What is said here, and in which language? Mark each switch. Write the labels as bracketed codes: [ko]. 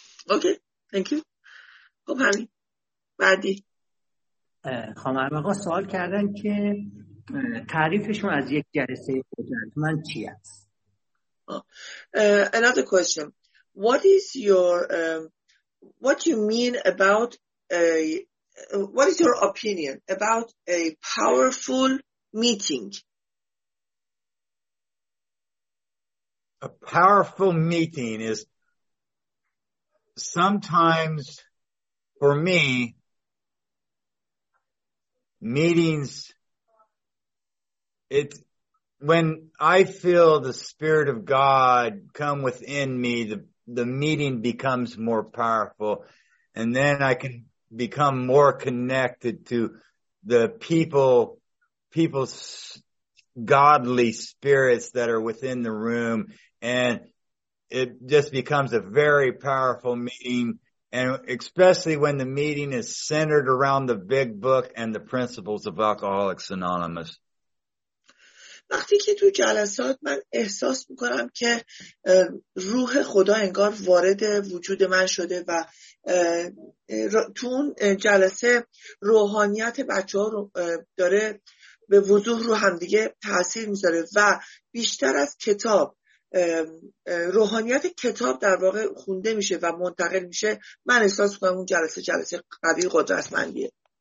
[en] Okay, thank you. [fa] خب همین بعدی خانم آقا سوال کردن که تعریفشون از یک جلسه قدرت من چی هست؟ [en] Another question. What is your what you mean about what is your opinion about a powerful meeting? A powerful meeting is sometimes for me meetings it's when I feel the Spirit of God come within me, the meeting becomes more powerful, and then I can become more connected to the people's godly spirits that are within the room, and it just becomes a very powerful meeting, and especially when the meeting is centered around the big book and the principles of Alcoholics Anonymous. [fa] وقتی که تو جلسات من احساس میکنم که روح خدا انگار وارد وجود من شده و تو اون جلسه روحانیت بچه ها رو داره به وضوح رو همدیگه تأثیر میذاره و بیشتر از کتاب روحانیت کتاب در واقع خونده میشه و منتقل میشه، من احساس میکنم اون جلسه قوی قدرتمندیه.